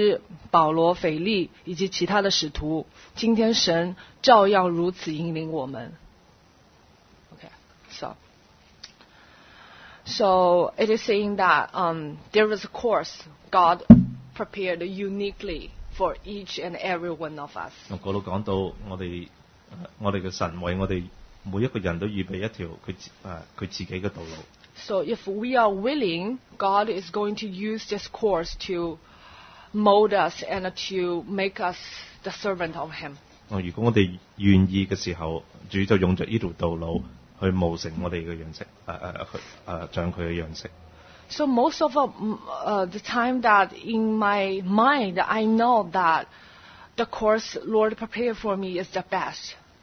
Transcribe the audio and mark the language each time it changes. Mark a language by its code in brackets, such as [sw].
[zh] 以前神如何引导耶利米和其他的先知保罗、腓力以及其他的使徒, 今天神照样如此引领我们。 [en] Okay, so it is saying that there is a course God prepared uniquely for each and every one of us. [zh] 那里讲到我们的神为我们每一个人都预备一条他自己的道路。 [en] So if we are willing, God is going to use this course to mold us and to make us the servant of him. [zh] 如果我们愿意的时候, 主就用着这条道路去模成我们的样式, [en] So most of the time that in my mind, I know that the course Lord prepared for me is the best.